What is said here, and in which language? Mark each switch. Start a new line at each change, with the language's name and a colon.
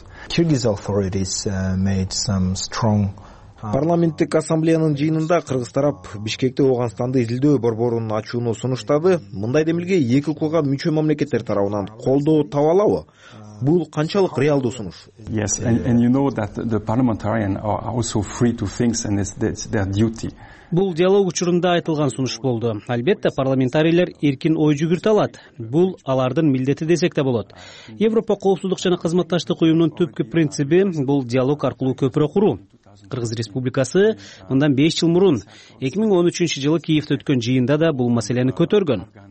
English: Kyrgyz authorities made some strong
Kyrgyz: парламенттик ассамблеянын жыйынында кыргыз тарап Бишкекте Ооганстанды изилдөө борборун ачууну сунуштады. Мындай демилге эки укугуга мүчө мамлекеттер тарабынан колдоо табалабы? Бул канчалык реалдуу сунуш?
English: Yes, and you know that the parliamentarians are also free to think and it's their duty.
Kyrgyz: Бул диалог учурунда айтылган сунуш болду. Албетте, парламентарийлер эркин ой жүгүртө алат. Бул алардын милдети десек да болот. Европа коопсуздук жана кызматташтык уюмунун түпкү принциби бул диалог аркылуу көпүрө куруу. Кыргыз Республикасы мындан 5 жыл мурун 2013 жылы Киевде өткөн жыйында да бул маселени көтөргөн.